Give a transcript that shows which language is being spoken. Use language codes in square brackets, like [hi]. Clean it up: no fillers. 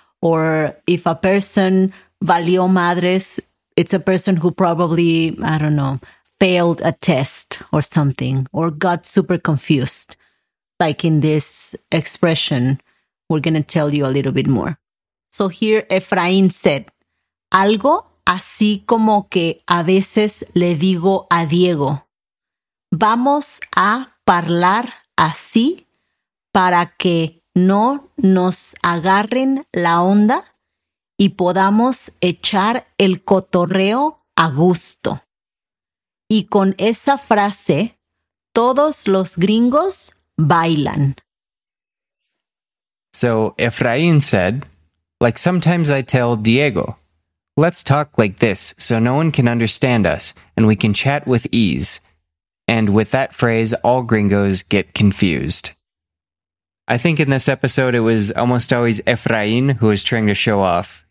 [en] Or if a person valió madres, it's a person who probably, I don't know, failed a test or something or got super confused. Like in this expression, we're going to tell you a little bit more. So here Efraín said, [es] algo así como que a veces le digo a Diego, vamos a parlar así para que no nos agarren la onda y podamos echar el cotorreo a gusto. Y con esa frase, todos los gringos bailan. [en] So Efraín said, like sometimes I tell Diego, let's talk like this so no one can understand us and we can chat with ease. And with that phrase, all gringos get confused. I think in this episode, it was almost always Efraín who was trying to show off.